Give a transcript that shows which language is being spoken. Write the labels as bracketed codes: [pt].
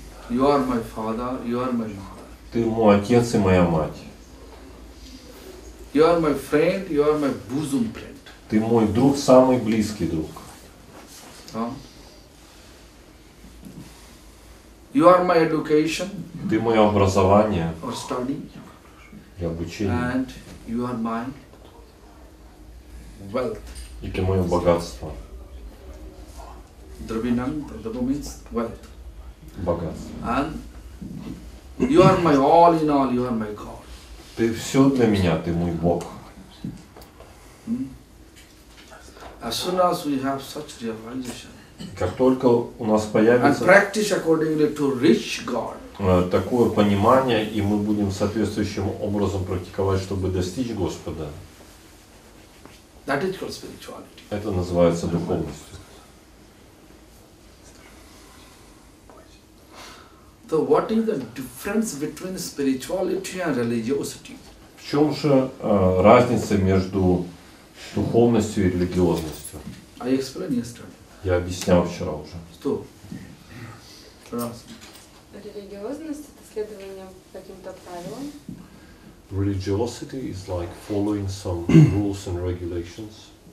[en] you are my father, you are my mother. [ru] Ты мой отец и моя мать. [en] You are my friend, you are my bosom friend. [ru] Ты мой друг, самый близкий друг. [en] You are my education. [ru] Ты мое образование. [en] Or study. [ru] И обучение. [en] And you are my wealth. [ru] И ты мое богатство. [en] Dravinam, Dravo means wealth. [ru] Богатство. [en] And you are my all in all, you are my God. [ru] Ты все для меня, ты мой Бог. [en] As soon as we have such realization. [ru] Как только у нас появится. [en] And practice accordingly to reach God. [ru] Такое понимание, и мы будем соответствующим образом практиковать, чтобы достичь Господа. [en] That is called spirituality. [ru] Это называется духовностью. [en] So what is the difference between spirituality and religiosity? [ru] В чем же разница между духовностью и религиозностью? [en] I explained yesterday. [ru] Я объяснял вчера уже. Что? Религиозность — это следование каким-то правилам. [en] Religiosity is like following some rules and regulations.